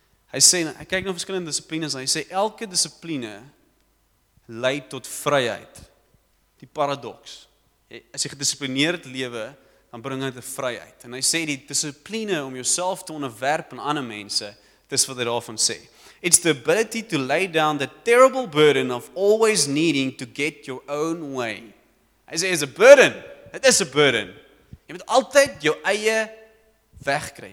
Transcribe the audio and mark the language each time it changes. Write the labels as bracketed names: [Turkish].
[Afrikaans] Hy sê, hy kyk na verskillende disciplines, hy sê, elke discipline lei tot vryheid. Die paradox. As jy gedisciplineerd lewe, dan bring dit 'n vryheid. En hy sê, die discipline om jouself te onderwerp aan ander mense, dis wat hy daarvan sê. [English] It's the ability to lay down the terrible burden of always needing to get your own way. [Afrikaans] Hy sê, [English] it's a burden. It is a burden. [Afrikaans] Jy moet altyd jou eie weg kry.